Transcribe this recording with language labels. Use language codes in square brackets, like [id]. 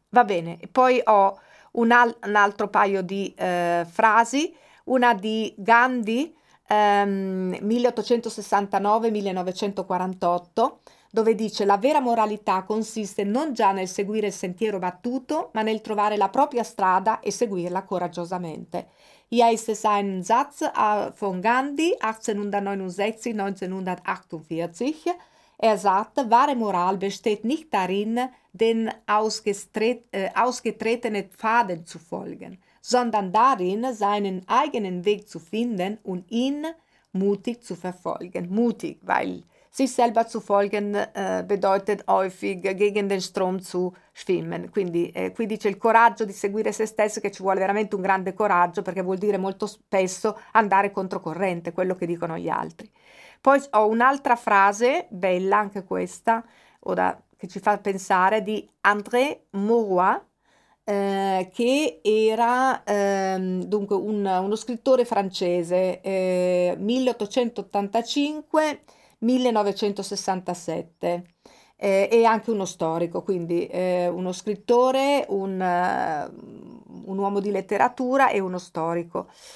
[it] Va bene, e poi ho un altro paio di frasi, una di Gandhi, 1869-1948, dove dice: La vera moralità consiste non già nel seguire il sentiero battuto, ma nel trovare la propria strada e seguirla coraggiosamente. [de] Hier ist es ein Satz von Gandhi, 1869-1948. Er sagt, wahre Moral besteht nicht darin, den ausgetretenen Pfaden zu folgen, sondern darin, seinen eigenen Weg zu finden und ihn mutig zu verfolgen. Mutig, weil sich selber zu folgen bedeutet häufig gegen den Strom zu schwimmen. [it] Quindi qui dice il coraggio di seguire se stesso, che ci vuole veramente un grande coraggio, perché vuol dire molto spesso andare controcorrente, quello che dicono gli altri. Poi ho un'altra frase, bella anche questa, ora, che ci fa pensare, di André Maurois, che era dunque uno scrittore francese, 1885-1967, e anche uno storico, quindi uno scrittore, un uomo di letteratura e uno storico.